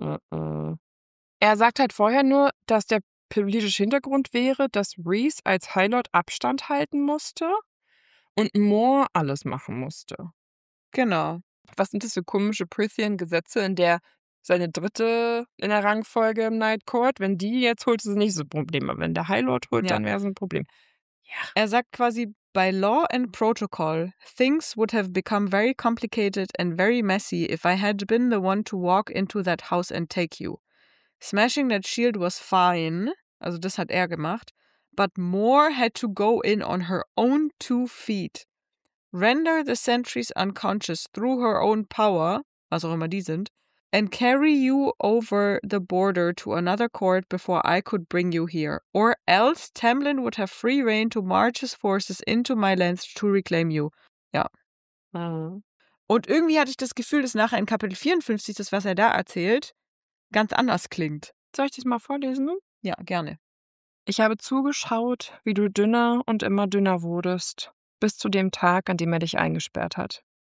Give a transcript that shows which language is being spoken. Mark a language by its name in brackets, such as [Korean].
[German] Er sagt halt vorher nur, dass der politische Hintergrund wäre, dass Rhys als Highlord Abstand halten musste und Mor alles machen musste. Genau. Was sind das für komische Prithian-Gesetze, in der seine dritte in der Rangfolge im Night Court, wenn die jetzt holt, ist es nicht so ein Problem. Aber wenn der Highlord holt, dann wäre es ein Problem. Ja. Er sagt quasi, [English] by law and protocol, things would have become very complicated and very messy if I had been the one to walk into that house and take you. Smashing that shield was fine, [German] also das hat er gemacht, [English] but Mor had to go in on her own two feet. Render the sentries unconscious through her own power, [German] was auch immer die sind, [English] and carry you over the border to another court before I could bring you here. Or else Tamlin would have free rein to march his forces into my lands to reclaim you. [German] Ja. Und irgendwie hatte ich das Gefühl, dass nachher in Kapitel 54, das, was er da erzählt, ganz anders klingt. Soll ich das mal vorlesen? Ja, gerne. Ich habe zugeschaut, wie du dünner und immer dünner wurdest, bis zu dem Tag, an dem er dich eingesperrt hat.